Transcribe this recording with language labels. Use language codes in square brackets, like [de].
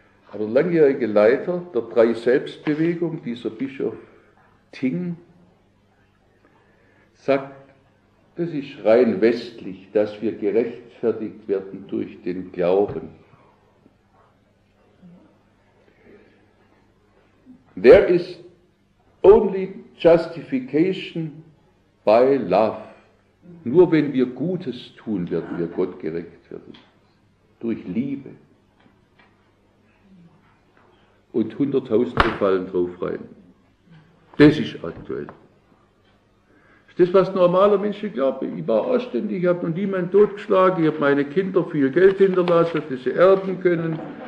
[de] Aber der langjährige Leiter der Drei-Selbst-Bewegung, dieser Bischof Ting, sagt, das ist rein westlich, dass wir gerechtfertigt werden durch den Glauben. [en] There is only justification by love. [de] Nur wenn wir Gutes tun, werden wir Gott gerecht werden. Durch Liebe. Und Hunderttausende fallen drauf rein. Das ist aktuell. Das, was normaler Menschen glauben. Ich war anständig, ich habe noch niemanden totgeschlagen, ich habe meine Kinder viel Geld hinterlassen, dass sie erben können.